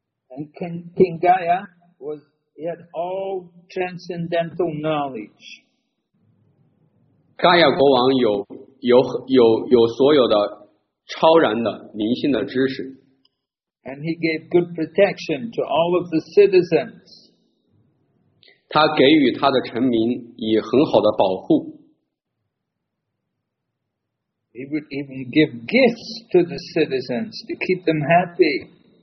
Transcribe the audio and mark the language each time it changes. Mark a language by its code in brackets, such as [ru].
[en] And King Gaya was he had all transcendental knowledge. [zh] 伽亚国王有所有的超然的灵性的知识。 [en] And he gave good protection to all of the citizens. [zh] 他给予他的臣民以很好的保护。 [en] He would even give gifts to the citizens to keep them happy.